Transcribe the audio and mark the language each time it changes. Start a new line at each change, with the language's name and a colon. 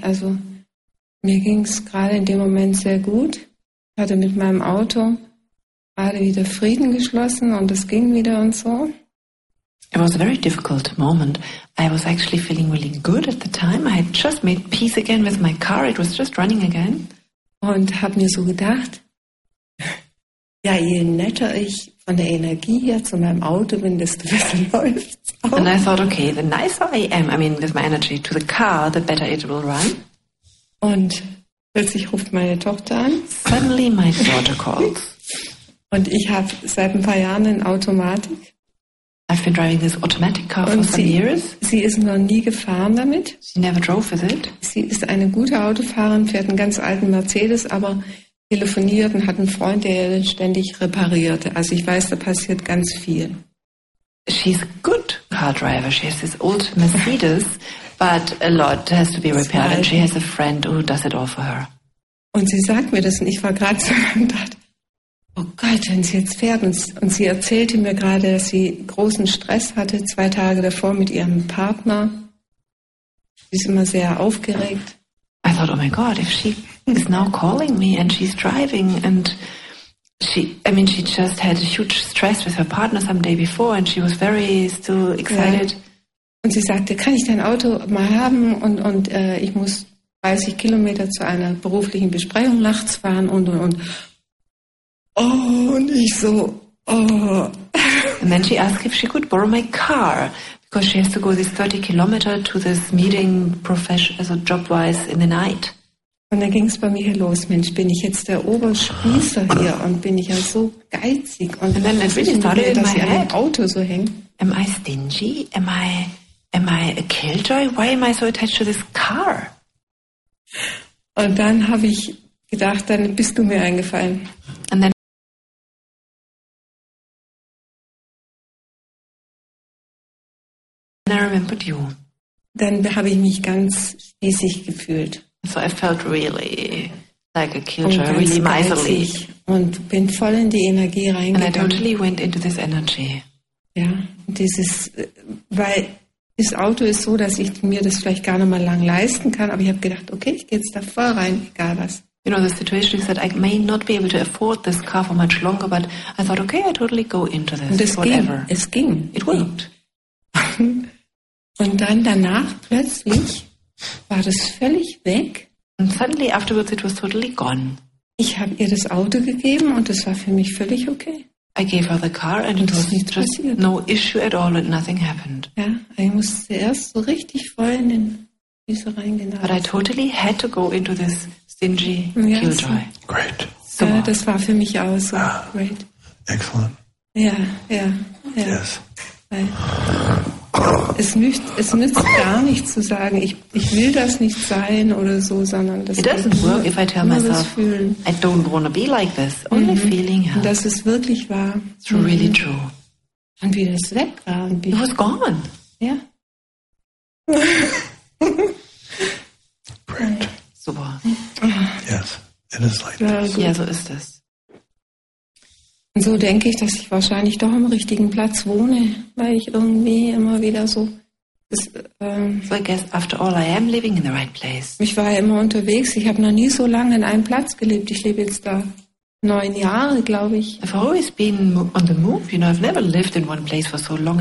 German: Also mir ging es gerade in dem Moment sehr gut. Ich hatte mit meinem Auto gerade wieder Frieden geschlossen und es ging wieder und so.
English: It was a very difficult moment. I was actually feeling really good at the time. I had just made peace again with my car. It was just running again.
German: Und habe mir so gedacht, ja, je netter ich von der Energie her zu meinem Auto bin, desto besser läuft's auch.
English: And I thought, okay, the nicer I am, I mean, with my energy to the car, the better it will run.
German: Und plötzlich ruft meine Tochter an.
English: Suddenly my daughter calls.
German: Und ich habe seit ein paar Jahren ein Automatik.
English: I've been driving this automatic car for some years.
German: Sie ist noch nie gefahren damit.
English: She never drove with it.
German: Sie ist eine gute Autofahrerin, fährt einen ganz alten Mercedes, aber telefoniert und hat einen Freund, der ihn ständig reparierte. Also ich weiß, da passiert ganz viel.
English: She's a good car driver. She has this old Mercedes, but a lot has to be repaired. And she has a friend who does it all for her.
German: Und sie sagt mir das und ich war gerade so und dachte, oh Gott, wenn sie jetzt fährt. Und sie erzählte mir gerade, dass sie großen Stress hatte, zwei Tage davor mit ihrem Partner. Sie ist immer sehr aufgeregt.
English: I thought, oh my God, if she is now calling me and she's driving and she just had a huge stress with her partner some day before and she was very still excited.
German: Und sie sagte, kann ich dein Auto mal haben und ich muss 30 Kilometer zu einer beruflichen Besprechung nachts fahren und. Oh, und ich so, oh.
English: And then she asked if she could borrow my car. Because she has to go this 30 kilometer to this meeting profession, also job-wise, in the night.
German: Und dann ging es bei mir hier los, Mensch, bin ich jetzt der Oberspießer hier und bin ich ja so geizig. Und dann
English: started in my head,
German: dass ich an Auto so hängt.
English: Am I stingy? Am I a killjoy? Why am I so attached to this car?
German: Und dann habe ich gedacht, dann bist du mir eingefallen.
English: And then I remembered you.
German: Dann habe ich mich ganz spießig gefühlt.
English: So I felt really like a killjoy, really miserly.
German: Und bin voll in die Energie reingegangen.
English: And I totally went into this energy.
German: Ja, dieses, weil das Auto ist so, dass ich mir das vielleicht gar nicht mal lang leisten kann, aber ich habe gedacht, okay, ich gehe jetzt da voll rein, egal was.
English: You know, the situation is that I may not be able to afford this car for much longer, but I thought, okay, I totally go into this,
German: und es
English: whatever.
German: Ging. Es ging.
English: It worked.
German: Und dann danach plötzlich war das völlig weg.
English: And suddenly afterwards it was totally gone.
German: Ich habe ihr das Auto gegeben und es war für mich völlig okay.
English: I gave her the car and
German: und
English: it was
German: nicht
English: just
German: passiert.
English: No issue at all and nothing happened.
German: Ja, ich musste erst so richtig voll in den Füße reingehen.
English: But I totally had to go into this stingy killjoy. Great.
German: So, das war für mich auch so great.
English: Excellent. Yes.
German: Es nützt gar nichts zu sagen, ich will das nicht sein oder so, sondern das
English: It doesn't work if I tell myself I don't want to be like this. Only feeling helps.
German: Dass es wirklich war.
English: It's really true.
German: Und wie das weg war. Und
English: It was gone.
German: Ja.
English: Brilliant. Super. Yes, it is like this.
German: Ja, so ist es. Und so denke ich, dass ich wahrscheinlich doch am richtigen Platz wohne, weil ich irgendwie immer wieder so...
English: So I guess after all I am living in the right place.
German: Ich war ja immer unterwegs, ich habe noch nie so lange in einem Platz gelebt. Ich lebe jetzt da 9 Jahre, glaube ich.
English: I've always been on the move, you know, I've never lived in one place for so long.